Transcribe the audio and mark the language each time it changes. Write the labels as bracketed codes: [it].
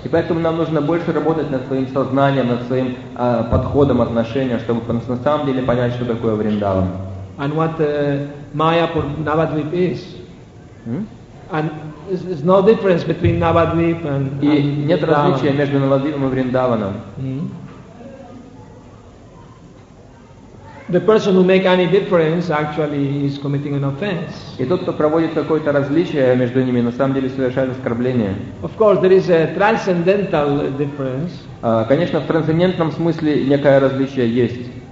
[ru] И поэтому нам нужно больше работать над своим сознанием, над своим подходом, отношением, чтобы на самом деле понять, что такое Вриндаван. [en] And what Mayapur Navadvip is. And there's no difference between Navadvip and [ru] Vrindavan. И нет различия между Навадвипом и Вриндаваном. [en] The person who make any difference actually is committing an offense. [ru] И тот, кто проводит какое-то различие между ними, на самом деле совершает оскорбление. [en] Of course, there is a transcendental difference. [ru] Конечно, в трансцендентном смысле некое различие есть.